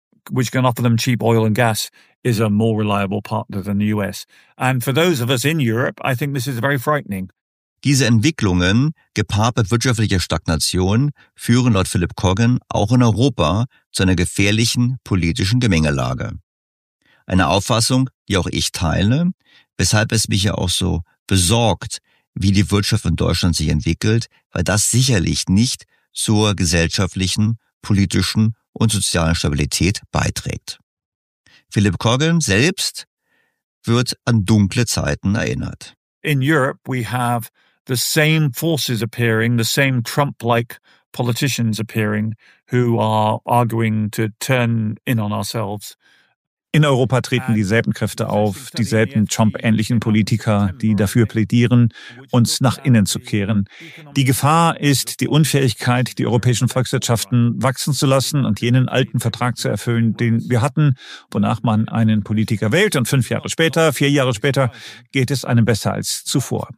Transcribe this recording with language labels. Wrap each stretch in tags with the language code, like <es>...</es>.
<en>Which can offer them cheap oil and gas is a more reliable partner than the US. And for those of us in Europe, I think this is very frightening.</en> <de>Diese Entwicklungen, gepaart mit wirtschaftlicher Stagnation, führen laut Philip Coggan auch in Europa zu einer gefährlichen politischen Gemengelage. Eine Auffassung, die auch ich teile, weshalb es mich ja auch so besorgt, wie die Wirtschaft in Deutschland sich entwickelt, weil das sicherlich nicht zur gesellschaftlichen, politischen und sozialen Stabilität beiträgt. Philip Coggan selbst wird an dunkle Zeiten erinnert.</de> <en>In Europe we have the same forces appearing, the same Trump-like politicians appearing, who are arguing to turn in on ourselves.</en> <de>In Europa treten dieselben Kräfte auf, dieselben Trump-ähnlichen Politiker, die dafür plädieren, uns nach innen zu kehren. Die Gefahr ist die Unfähigkeit, die europäischen Volkswirtschaften wachsen zu lassen und jenen alten Vertrag zu erfüllen, den wir hatten, wonach man einen Politiker wählt und 4 Jahre später geht es einem besser als zuvor.</de>